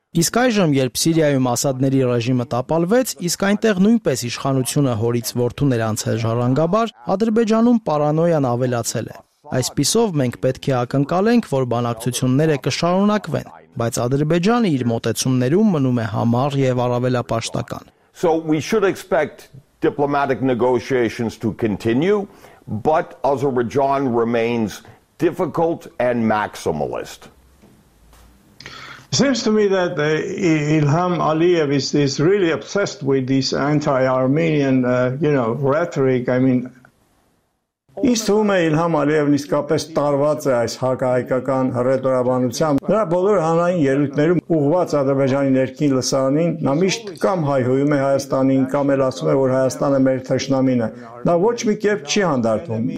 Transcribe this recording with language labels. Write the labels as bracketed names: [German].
[Armenian] Իսկ այժմ, երբ Սիրիայում Ասադների ռեժիմը տապալվեց, իսկ այնտեղ նույնպես իշխանությունը հորից որդու ներանցել ժառանգաբար, Ադրբեջանում պարանոյան ավելացել է։ Այսպիսով մենք պետք է ակնկալենք, որ բանակցությունները կշարունակվեն, բայց Ադրբեջանը իր մոտեցումներում մնում է համառ և առավելապաշտական։ [English] So we should expect diplomatic negotiations to continue, but Azerbaijan remains difficult and maximalist. It seems to me that Ilham Aliyev is really obsessed with this anti-Armenian, rhetoric. I mean, [Armenian] ինչ թվում է Իլհամ Ալիևն իսկապես տարված է այս հակահայկական հռետորաբանությամբ, նրա բոլոր հանրային ելույթներում ուղղված Ադրբեջանի ներքին լսարանին, նա միշտ կամ հայհոյում է Հայաստանին, կամ էլ ասում է, որ Հայաստանը մեր թշնամին է. Նա ոչ մի կերպ չի հանդարտում.